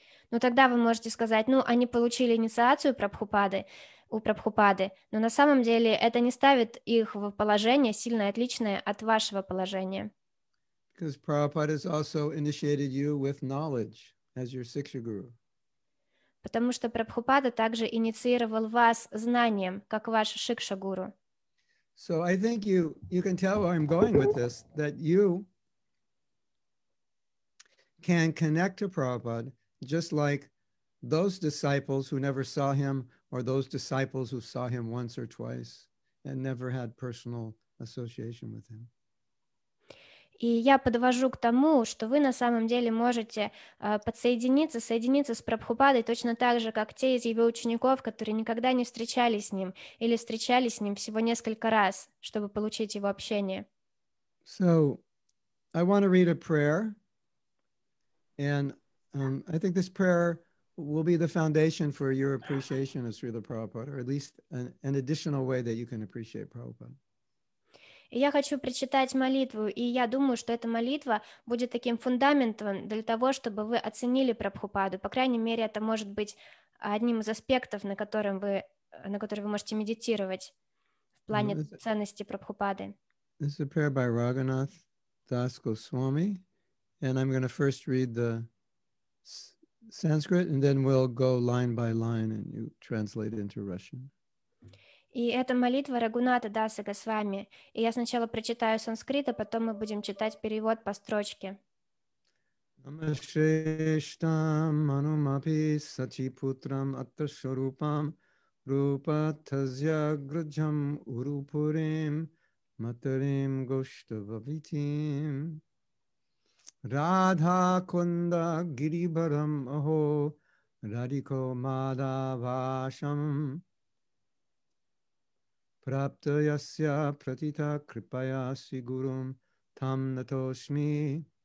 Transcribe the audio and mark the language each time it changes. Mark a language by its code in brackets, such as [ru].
[ru] Но тогда вы можете сказать, ну, они получили инициацию Прабхупады, у Прабхупады, но на самом деле это не ставит их в положение, сильно отличное от вашего положения. [en] Because Prabhupada has also initiated you with knowledge as your Siksha Guru. [ru] Потому что Прабхупада также инициировал вас знанием, как ваш Шикша-гуру. [en] So I think you can tell where I'm going with this, that you can connect to Prabhupada just like those disciples who never saw him, or those disciples who saw him once or twice and never had personal association with him. [ru] И я подвожу к тому, что вы на самом деле можете соединиться с Прабхупадой точно так же, как те из его учеников, которые никогда не встречались с ним или встречались с ним всего несколько раз, чтобы получить его общение. [en] So, I want to read a prayer, and I think this prayer will be the foundation for your appreciation of Srila Prabhupada, or at least an additional way that you can appreciate Prabhupada. [ru] Я хочу прочитать молитву, и я думаю, что эта молитва будет таким фундаментом для того, чтобы вы оценили Прабхупаду. По крайней мере, это может быть одним из аспектов, на который вы можете медитировать в плане ценности Прабхупады. [en] This is a prayer by Raghunath Das Goswami, and I'm going to first read the Sanskrit, and then we'll go line by line, and you translate it into Russian. [ru] И это молитва Рагуната Даса Госвами. И я сначала прочитаю санскрит, а потом мы будем читать перевод по строчке. [sa] Намашрештам манумапи сачипутрам атташарупам рупатазья граджам урупурим матарим гоштававитим Радха кунда гирибарам ахо радико мадавашам Prapta yasya pratita kripaya sigurum tam natoshmi.